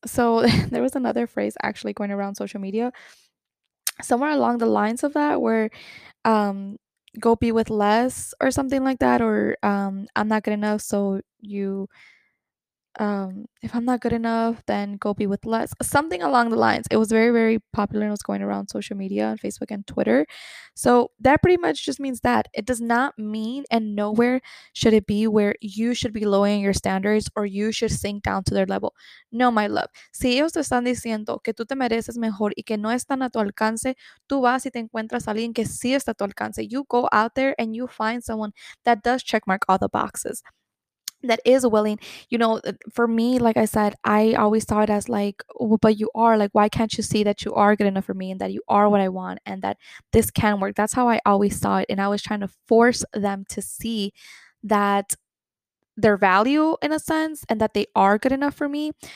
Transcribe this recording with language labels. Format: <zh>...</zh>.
<en>So there was another phrase actually going around social media, somewhere along the lines of that, where go be with less or something like that, or I'm not good enough, so you, if I'm not good enough, then go be with less. Something along the lines. It was very, very popular and was going around social media and Facebook and Twitter. So that pretty much just means that. It does not mean, and nowhere should it be, where you should be lowering your standards or you should sink down to their level. No, my love.</en> <es>Si ellos te están diciendo que tú te mereces mejor y que no están a tu alcance, tú vas y te encuentras a alguien que sí está a tu alcance.</es> <en>You go out there and you find someone that does checkmark all the boxes, that is willing. You know, for me, like I said, I always saw it as like, oh, but you are, like, why can't you see that you are good enough for me and that you are what I want and that this can work? That's how I always saw it. And I was trying to force them to see that their value, in a sense, and that they are good enough for me.</en>